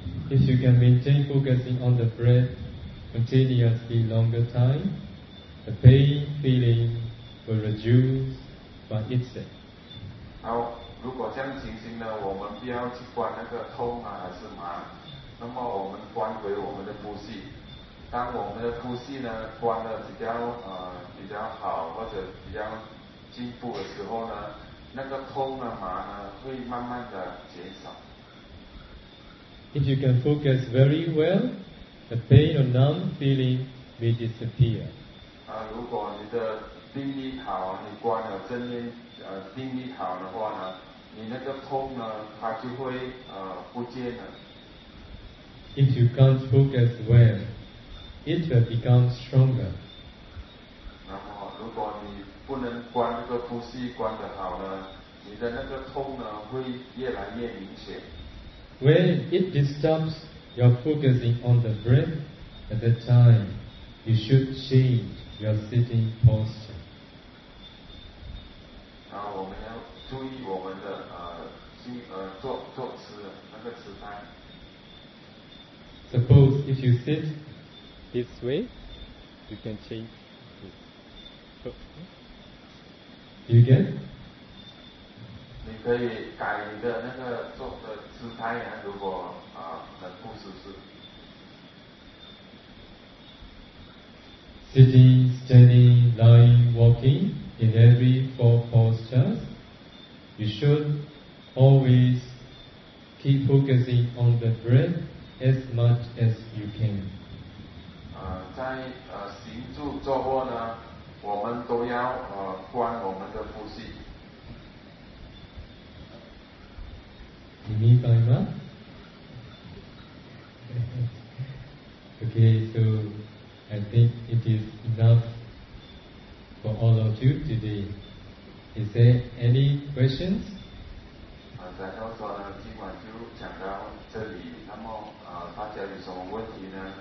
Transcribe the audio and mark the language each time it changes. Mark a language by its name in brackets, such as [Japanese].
[English] If you can maintain focusing on the breath continuously longer time, the pain feeling will reduce by itself. [Chinese] 好，如果这样情形呢，我们不要去管那个痛啊，还是麻。那么我们观回我们的呼吸，当我们的呼吸呢观的比较好或者比较进步的时候呢，那个痛的麻呢会慢慢的减少。 [English] If you can focus very well, the pain or numb feeling may disappear. [Chinese] 如果你的定力好，你观了正念，定力好的话呢，你那个痛呢它就会不见了。 [English] If you can't focus well, it will become stronger. [Chinese] 那么，如果你不能观那个呼吸观得好呢，你的那个痛呢会越来越明显。 [English] When it disturbs your focusing on the breath, at that time, you should change your sitting posture. [Chinese] 然后我们要注意我们的坐姿那个姿态。 [English] Suppose if you sit this way, You can change. Do you get? [Chinese] 你可以改你的那个做的姿态呀，如果啊很不舒适。 [English] Sitting, standing, lying, walking, in every four postures, you should always keep focusing on the breath as much as you can. [Chinese] 在行住坐卧呢。我们都要观我们的呼吸。你明白吗？ [English] Okay, so I think it is enough for all of you today. Is there any questions? [Chinese] 在到说呢，今晚就讲到这里。那么大家有什么问题呢？